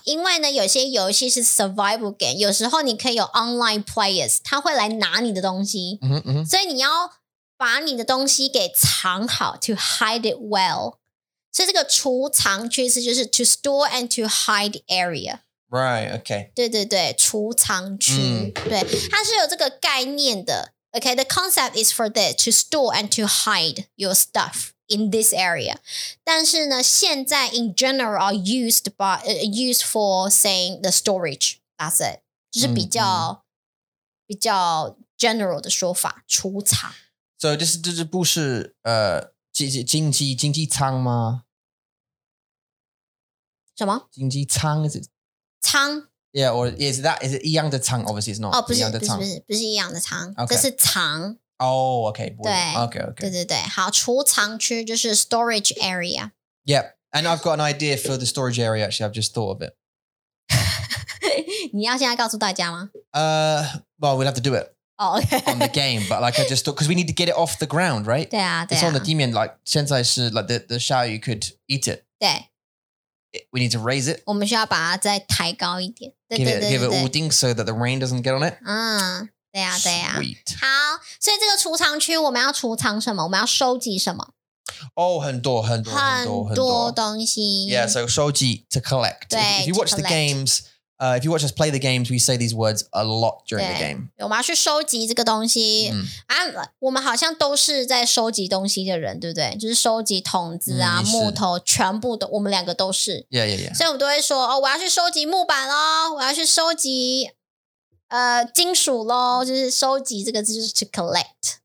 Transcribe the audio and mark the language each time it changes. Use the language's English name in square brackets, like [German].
[Chinese] 因为呢，有些游戏是 survival game， 有时候你可以有 online players， 他会来拿你的东西。所以你要把你的东西给藏好 ， [English] to hide it well。 [Chinese] 所以这个储藏区是就是 [English] to store and to hide area。 Right. Okay. [Chinese] 对对对，储藏区，对，它是有这个概念的。 [English] Okay, the concept is for this to store and to hide your stuff. In this area. [Chinese] 但是呢现在 [English] in general are used, by,、used for saying the storage. That's it. [Chinese] 就是比较、比较 general 的说法储藏。 So, 这不是、经济舱吗什么经济舱 [English] is it? [Chinese] 舱 [English] Yeah, or is that, is it [Chinese] 一样的舱 [English] Obviously it's not. [Chinese] 哦不是不是一样的舱、 [English] okay. [Chinese] 这是舱。 [English] Oh, okay. [Chinese] 对 [English] okay, okay. [Chinese] 对对对，好，储藏区就是 [English] storage area. Yep, and I've got an idea for the storage area. Actually, I've just thought of it. [Chinese] 你要现在告诉大家吗？ [English] Well, we'll have to do it. Oh, okay. On the game, but like I just thought, because we need to get it off the ground, right? [Chinese] 对啊，对啊。 [English] It's on the 地面, like [Chinese] 现在是 [English] like the [Chinese] 下雨 [English] could eat it. [Chinese] 对。 [English] we need to raise it. [Chinese] 我们需要把它再抬高一点。 [English] Give it 五丁 so that the rain doesn't get on it. [Chinese] 嗯，对呀，对呀。 [English] Sweet. [Chinese] 好，所以这个储藏区我们要储藏什么？我们要收集什么？ [English] Oh, [Chinese] 很多东西。 [English] Yeah, so 收集 to collect. [Chinese] 对, [English] if you watch the games, if you watch us play the games, we say these words a lot during the game. [Chinese] 我们要去收集这个东西。我们好像都是在收集东西的人，对不对？就是收集桶子啊，木头，全部都，我们两个都是。 Yeah, yeah, yeah. 所以我们都会说，哦，我要去收集木板咯，我要去收集金属咯，就是收集这个字就是 [English] to collect。